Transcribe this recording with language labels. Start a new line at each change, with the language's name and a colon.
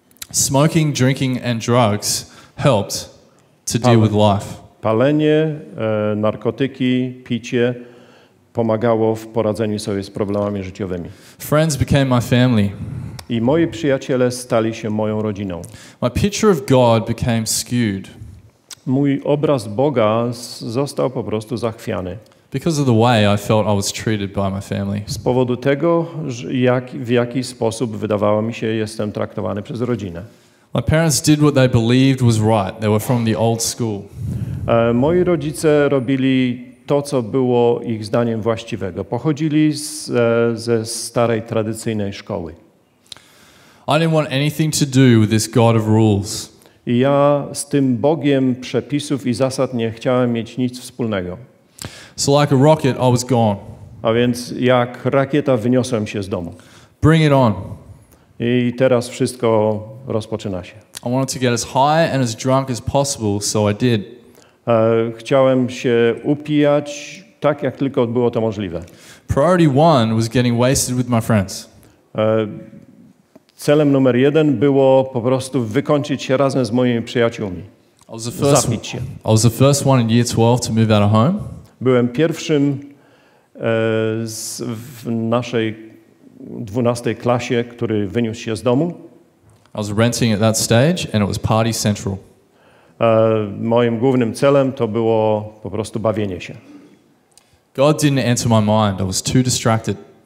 English: Smoking, drinking and drugs helped to deal with life.
Polish: Palenie, narkotyki, picie pomagało w poradzeniu sobie z problemami życiowymi.
English: Friends became my family.
Polish: I moi przyjaciele stali się moją rodziną.
English: My picture of God became skewed.
Polish: Mój obraz Boga został po prostu zachwiany.
English: Because of the way I felt I was treated by my family.
Polish: Z powodu tego, w jaki sposób wydawało mi się, jestem traktowany przez rodzinę.
English: My parents did what they believed was right. They were from the old school.
Polish: Moi rodzice robili to, co było ich zdaniem właściwego. Pochodzili ze starej, tradycyjnej szkoły.
English: I didn't want anything to do with this God of rules.
Polish: I ja z tym Bogiem przepisów i zasad nie chciałem mieć nic wspólnego.
English: So like a rocket, I was gone.
Polish: A więc jak rakieta wyniosłem się z domu.
English: Bring it on.
Polish: I teraz wszystko rozpoczyna się.
English: I wanted to get as high and as drunk as possible, so I did.
Polish: Chciałem się upijać tak, jak tylko było to możliwe.
English: Priority one was getting wasted with my friends.
Polish: Celem numer jeden było po prostu wykończyć się razem z moimi przyjaciółmi. Zapić się.
English: I was the first one in year 12 to move out of home.
Polish: Byłem pierwszym w naszej 12 klasie, który wyniósł się z domu.
English: I was renting at that stage and it was party central.
Polish: Moim głównym celem to było po prostu bawienie się.
English: God didn't answer my mind. I was too distracted.